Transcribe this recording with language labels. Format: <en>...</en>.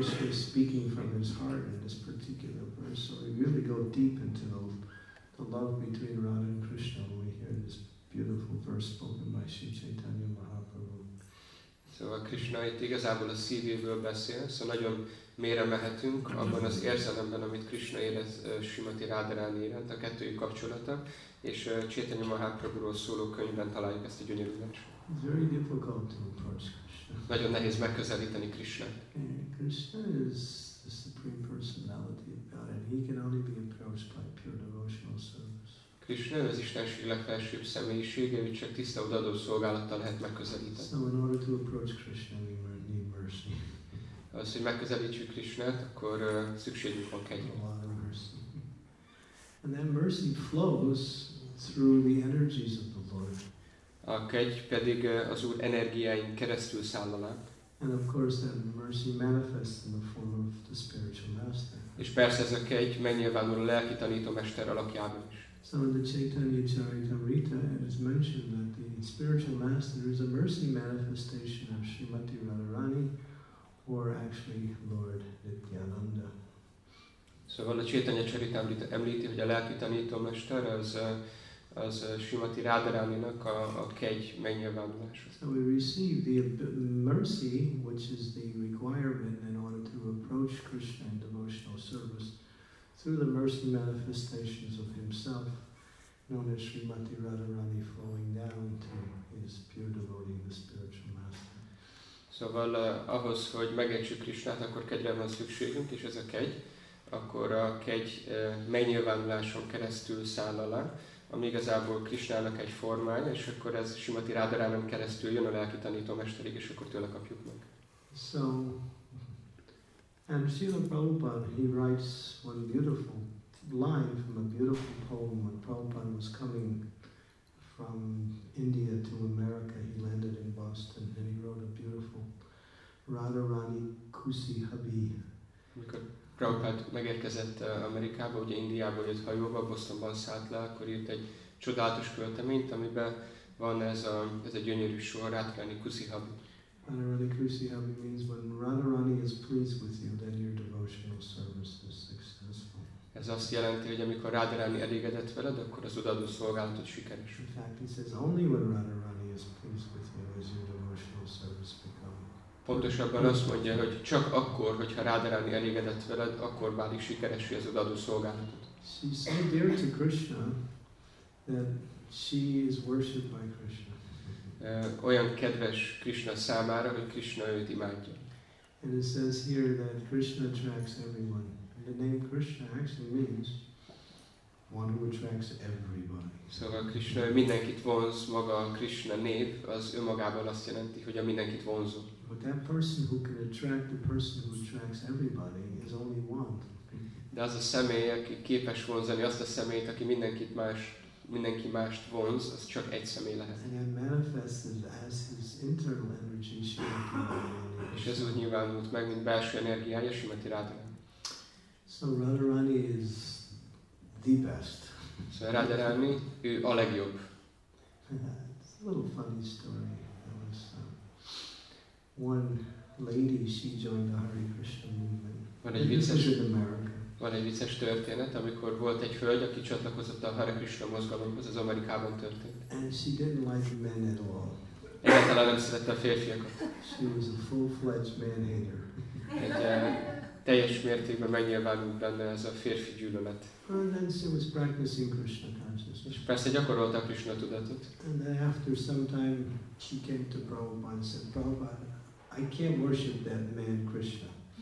<en>Speaking from his heart in this particular verse, so we really go deep into the love between Radha and Krishna when we hear this beautiful verse spoken by Sri Chaitanya Mahaprabhu. So,</en> <hu>Krishna itt igazából a szívéből beszél, szóval nagyon mélyre mehetünk abban az érzelemben, amit Krishna érez Srimati Rádarán érent, a kettőjük kapcsolata, és Chaitanya Mahaprabhuról szóló könyvben találjuk ezt a gyönyörűt.</hu> <en>Very difficult to approach Krishna.</en> <hu>Nagyon nehéz megközelíteni Krishna.</hu> <en>Krishna is the supreme personality of God, and he can only be approached by pure devotional service.</en> <hu>Krishna az Istenség legfelsőbb személyisége, hogy csak tiszta odaadó szolgálattal lehet megközelíteni.</hu> <en>So in order to approach Krishna, we need mercy.</en> <hu>Az, hogy megközelítsük Krishnát, akkor szükségünk van kegyelemre.</hu> <en>And then mercy flows through the energies of the Lord.</en> <hu>A kegy pedig az Úr energiáin keresztül száll.</hu> <en>And of course then mercy manifests in the form of the spiritual master.</en> <hu>És persze ez a kegy megnyilvánul a lelki tanító mester alakjában is.</hu> <en>So in the Chaitanya Charitamrita it is mentioned that the spiritual master is a mercy manifestation of Srimati Radharani. Or actually, Lord Nityananda.</en> <hu>Szóval a Chaitanya Charitamrita említi, hogy a lelki tanító mester az Srimati Rádarániának a kegy megnyilvánulása.</hu> <en>So we receive the mercy, which is the requirement in order to approach Krishna in devotional service, through the mercy manifestations of himself, known as Srimati Radharani, flowing down to his pure devotee, the spiritual master.</en> <hu>Szóval ahhoz, hogy megértsük Krisnát, akkor kegyre van szükségünk, és ez a kegy, akkor a kegy megnyilvánuláson keresztül száll alá, ami igazából Krisnának egy formája, és akkor ez Srimati Rádarán keresztül jön a lelki tanító mesterig, és akkor tőle kapjuk meg.</hu> <en>So, and Srila Prabhupada, he writes one beautiful line from a beautiful poem when Prabhupada was coming from India to America. He landed in Boston and he wrote a beautiful Radharani Kusi Habi.</en> <hu>Amikor Prabhupada megérkezett Amerikába, ugye Indiából jött hajóba, Bostonban szállt le, akkor írt egy csodálatos költeményt, amiben van ez a gyönyörű sor, Radharani Kusi Habi.</hu> <en>Radharani Kusi Habi means when Radharani is pleased with you, then your devotional service is successful.</en> <hu>Ez azt jelenti, hogy amikor Radharani elégedett veled, akkor az odaadó szolgálatod sikeres.</hu> <en>In fact, he says only when Radharani is pleased with you is your devotional service become.</en> <hu>Pontosabban azt mondja, hogy csak akkor, hogyha Radharani elégedett veled, akkor válik sikeresé az odaadó szolgálatod.</hu> <en>She is so dear to Krishna that she is worshipped by Krishna.</en> <hu>Olyan kedves Krishna számára, hogy Krishna őt imádja.</hu> <en>And it says here that Krishna attracts everyone. The name Krishna actually means one who attracts everybody.</en> <hu>Szóval Krishna mindenkit vonz, maga a Krishna név az önmagában azt jelenti, hogy a mindenkit vonzó.</hu> <en>But that person who can attract the person who attracts everybody is only one.</en> <hu>De az a személy, aki képes vonzani azt a személyt, aki mindenki mást vonz, az csak egy személy lehet.</hu> <en>And it manifested as his internal energy.</en> <hu>És ez úgy nyilvánult meg, mint belső energiája Srimati Rádarán.</hu> <en>So Radharani is the best.</en> <hu>So Radharani, ő a legjobb.</hu> <en>It's a little funny story. There was one lady, she joined the Hare Krishna movement.</en> <hu>Van egy vicces,</hu> <en>in America.</en> <hu>Van egy vicces történet, amikor volt egy hölgy, aki csatlakozott a Hare Krishna mozgalomhoz, az Amerikában történt.</hu> <en>And she didn't like men at all.</en> <hu>Egyáltalán nem szerette a férfiakat.</hu> <en>She was a full-fledged man-hater.</en> <hu>Teljes mértékben megnyilvánult benne ez a férfi gyűlölet.</hu> <en>And then she was practicing Krishna consciousness.</en> <hu>És persze gyakorolta a Krishna tudatot.</hu> <en>And then after some time she came to Prabhupada and said, Prabhupada, I can't worship that man Krishna.</en>